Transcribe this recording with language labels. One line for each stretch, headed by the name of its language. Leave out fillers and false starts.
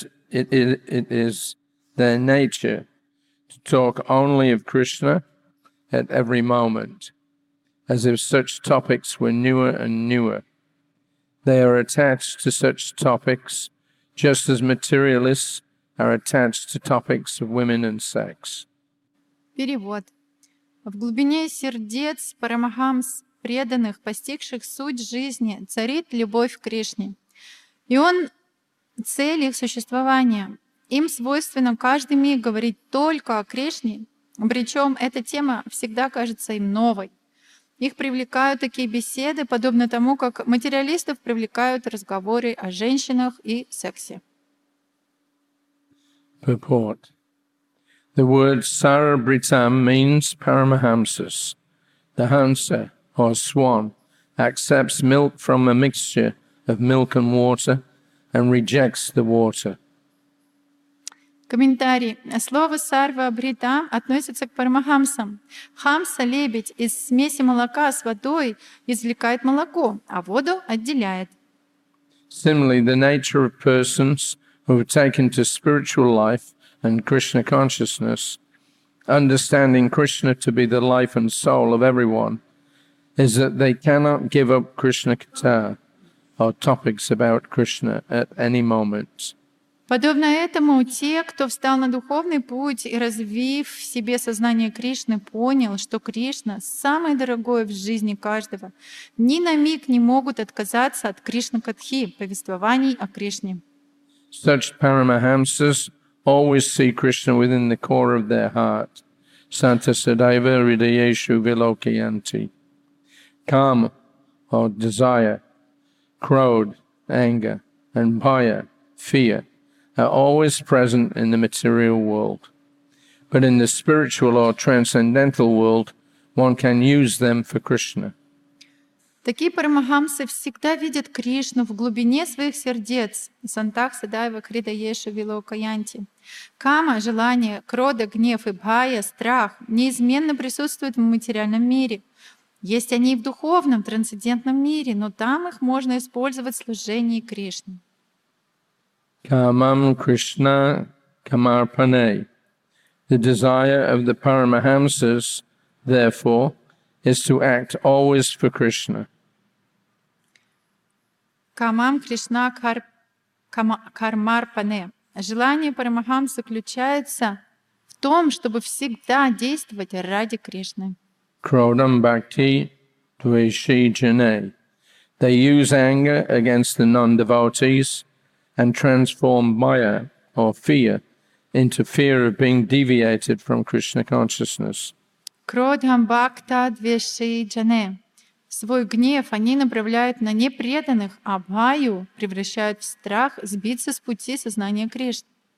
English: It is their nature to talk only of Krishna at every moment, as if such topics were newer and newer. They are attached to such topics just as materialists are attached to topics of women and sex.
Russian: Перевод. В глубине сердец парамахамс преданных, постигших суть жизни, царит любовь к Кришне. И он цель их существования. Им свойственно каждый миг говорить только о Кришне, причем эта тема всегда кажется им новой. Их привлекают такие беседы, подобно тому, как материалистов привлекают разговоры о женщинах и сексе.
English: Purport. The word Sarabritam means Paramahamsas. The hamsa, or swan, accepts milk from a mixture of milk and water and rejects the water.
Russian: Комментарий. Слово сарва-брита относится к парамахамсам. Хамса, лебедь, из смеси молока с водой извлекает молоко, а воду отделяет.
English: Similarly, the nature of persons who have taken to spiritual life and Krishna consciousness, understanding Krishna to be the life and soul of everyone, is that they cannot give up Krishna katha or topics about Krishna at any moment.
Russian: Подобно этому, те, кто встал на духовный путь и, развив в себе сознание Кришны, понял, что Кришна — самое дорогое в жизни каждого, ни на миг не могут отказаться от Кришна-катхи, повествований о Кришне.
English: Such paramahamsas always see Krishna within the core of their heart.
Sanskrit: Santa Sadaiva Hridayeshu Vilokayanti.
English: Kama, or desire, krodha, anger, and bhaya, fear, are always present in the material world. But in the spiritual or transcendental world, one can use them for Krishna.
Russian: Такие парамахамсы всегда видят Кришну в глубине своих сердец.
Sanskrit: Сантах Садайва Хридаеша Вилокаянти.
Russian: Кама, желание, крода, гнев и бхая, страх, неизменно присутствуют в материальном мире. Есть они и в духовном, трансцендентном мире, но там их можно использовать в служении Кришне.
Sanskrit: Kamam Krishna Kamarpane.
English: The desire of the Paramahamsas, therefore, is to act always for Krishna. Kamam Krishna Kamarpane.
Russian: Желание Парамахамса заключается в том, чтобы всегда действовать ради Кришны.
Sanskrit: Krodham Bhakti Dveshi Jane.
English: They use anger against the non-devotees and transform maya, or fear, into fear of being deviated from Krishna consciousness.
Sanskrit: Krodham bhakta dveshi jane.
Russian: Свой гнев они направляют на непреданных, а бхаю превращают в страх сбиться с пути сознания Кришны.